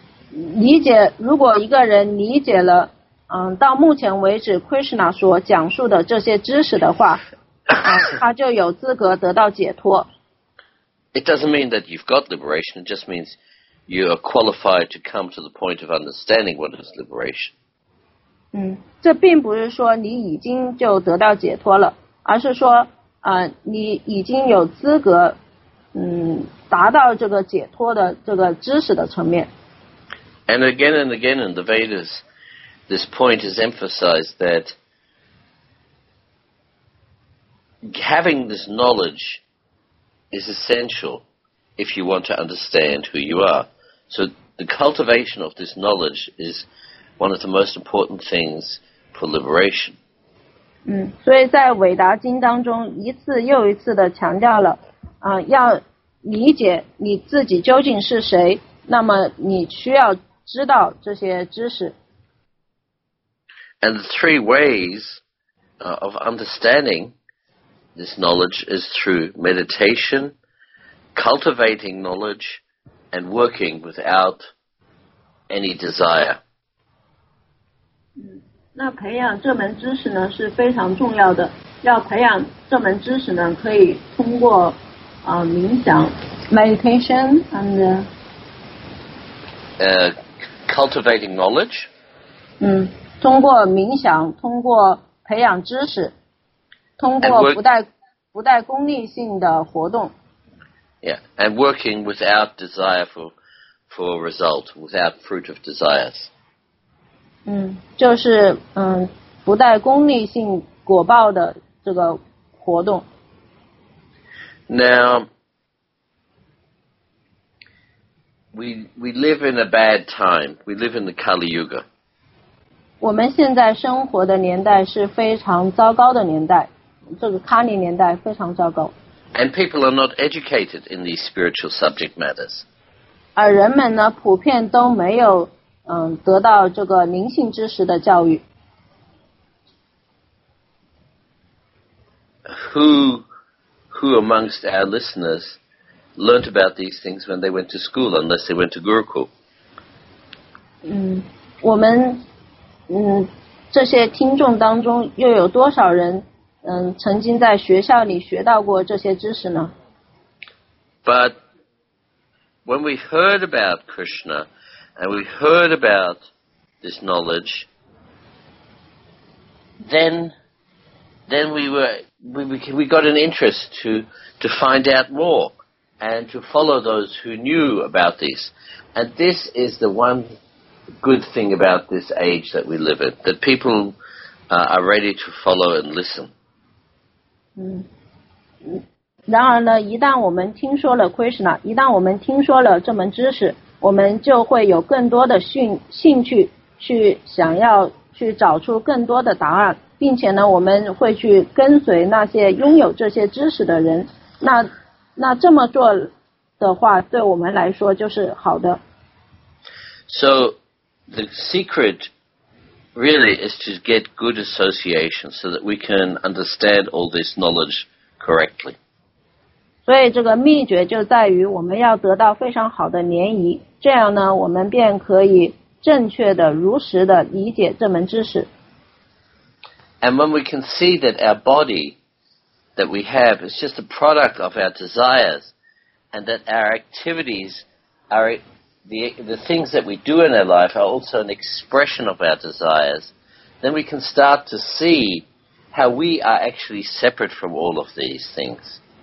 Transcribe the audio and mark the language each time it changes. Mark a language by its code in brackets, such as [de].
[zh] 理解，如果一个人理解了，到目前为止 Krishna 所讲述的这些知识的话，他就有资格得到解脱。 [en] It doesn't mean that you've got liberation, it just means you are qualified to come to the point of understanding what is liberation. [zh] 这并不是说你已经就得到解脱了，而是说你已经有资格达到这个解脱的这个知识的层面。 [en] And again and again in the Vedas, this point is emphasized that having this knowledge is essential if you want to understand who you are. So the cultivation of this knowledge is one of the most important things for liberation. [zh] 所以在韦达经当中一次又一次的强调了，要理解你自己究竟是谁，那么你需要知道这些知识。 [en] And the three ways of understandingThis knowledge is through meditation, cultivating knowledge, and working without any desire. [zh] 那培养这门知识呢是非常重要的。要培养这门知识呢，可以通过冥想 [en] meditation and cultivating knowledge. [zh] 通过冥想，通过培养知识，通过不带功利性的活动。 [en] Yeah, and working without desire for result, without fruit of desires. [zh] 就是不带功利性果报的这个活动。 [en] Now, we live in a bad time. We live in the Kali Yuga. [zh] 我们现在生活的年代是非常糟糕的年代。这个卡尼年代非常糟糕。 [en] And people are not educated in these spiritual subject matters. [zh] 而人们呢，普遍都没有得到这个灵性知识的教育。 [en] Who amongst our listeners learned about these things when they went to school, unless they went to Gurukul? [zh] 我们这些听众当中又有多少人？曾经在学校里学到过这些知识呢。 [en] But when we heard about Krishna and we heard about this knowledge, then we got an interest to find out more and to follow those who knew about this. And this is the one good thing about this age that we live in, that people are ready to follow and listen. [zh] 然而呢，一旦我们听说了 Krishna， 一旦我们听说了这门知识，我们就会有更多的兴趣去想要去找出更多的答案，并且呢，我们会去跟随那些拥有这些知识的人。那这么做的话，对我们来说就是好的。 [en] So the secret. Really is to get good association so that we can understand all this knowledge correctly. [zh] 所以这个秘诀就在于我们要得到非常好的联谊，这样呢，我们便可以正确的、如实的理解这门知识。 [en] And when we can see that our body that we have is just a product of our desires, and that our activities are. The things that we do in our life are also an expression of our desires, then we can start to see how we are actually separate from all of these things.